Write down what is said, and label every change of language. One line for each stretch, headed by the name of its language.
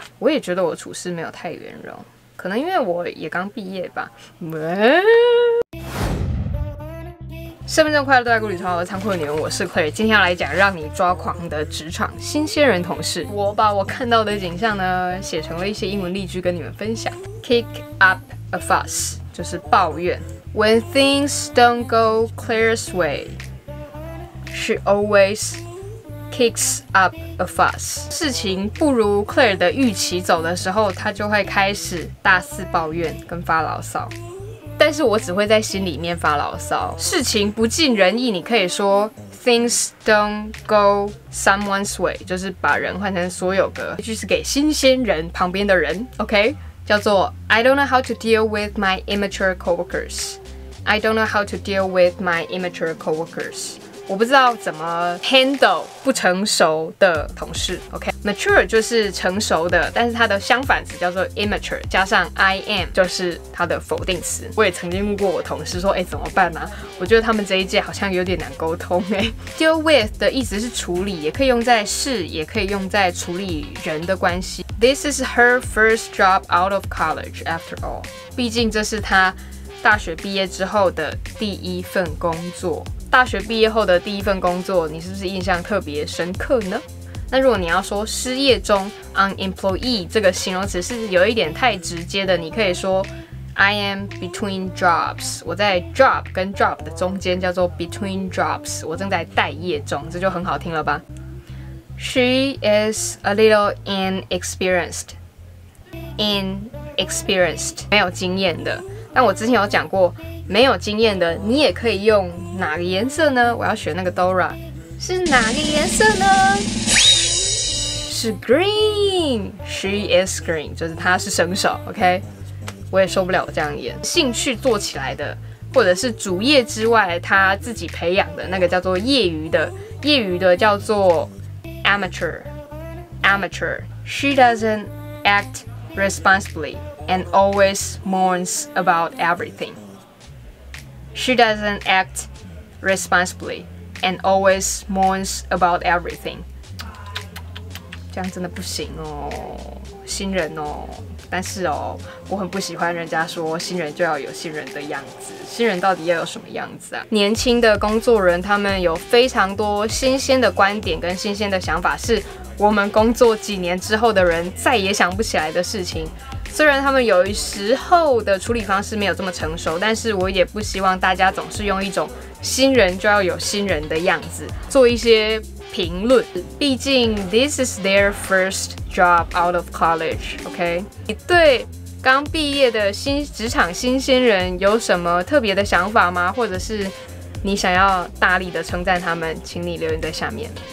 Chinese: 我也觉得我处事没有太圆融，可能因为我也刚毕业吧。身份证快乐在故里超仓库的你们，我是 Claire， 今天要来讲让你抓狂的职场新鲜人同事。我把我看到的景象呢写成了一些英文例句跟你们分享。
English: Kick up a fuss
Chinese: 就是抱怨。
English: When things don't go Claire's way, she always kicks up a fuss.
Chinese: 事情不如 Claire 的预期走的时候，她就会开始大肆抱怨跟发牢骚。但是我只会在心里面发牢骚。事情不尽人意，你可以说
English: things don't go someone's way，
Chinese: 就是把人换成所有格，就是给新鲜人旁边的人。OK。叫做
English: I don't know how to deal with my immature coworkers. I don't know how to deal with my immature coworkers.
Chinese: 我不知道怎么 handle 不成熟的同事。 OK， mature 就是成熟的，但是它的相反词叫做 immature， 加上 I am 就是它的否定词。我也曾经问过我同事说，哎，怎么办啊？我觉得他们这一届好像有点难沟通哎。 Deal with 的意思是处理，也可以用在事，也可以用在处理人的关系。
English: This is her first job out of college, after all.
Chinese: 毕竟这是她大学毕业之后的第一份工作。大学毕业后的第一份工作，你是不是印象特别深刻呢？那如果你要说失业中 ，unemployed 这个形容词是有一点太直接的，你可以说
English: I am between jobs.
Chinese: 我在 job 跟 job 的中间，叫做 between jobs. 我正在待业中，这就很好听了吧？
English: She is a little inexperienced.
Chinese: Inexperienced， 没有经验的。但我之前有讲过，没有经验的，你也可以用哪个颜色呢？我要选那个 Dora， 是哪个颜色呢？是 green.
English: She is green，
Chinese: 就是她是生手。 OK， 我也受不了这样演。兴趣做起来的，或者是主业之外她自己培养的那个叫做业余的，业余的叫做。
English: Amateur, amateur. She doesn't act responsibly and always mourns about everything. She doesn't act responsibly and always mourns about everything.
Chinese: 这样真的不行哦，新人哦。但是哦，我很不喜欢人家说新人就要有新人的样子。新人到底要有什么样子啊？年轻的工作人他们有非常多新鲜的观点跟新鲜的想法，是我们工作几年之后的人再也想不起来的事情。虽然他们有时候的处理方式没有这么成熟，但是我也不希望大家总是用一种新人就要有新人的样子做一些评论。毕竟
English: this is their first job out of college， OK？
Chinese: 你对刚毕业的新职场新鲜人有什么特别的想法吗？或者是你想要大力的称赞他们，请你留言在下面。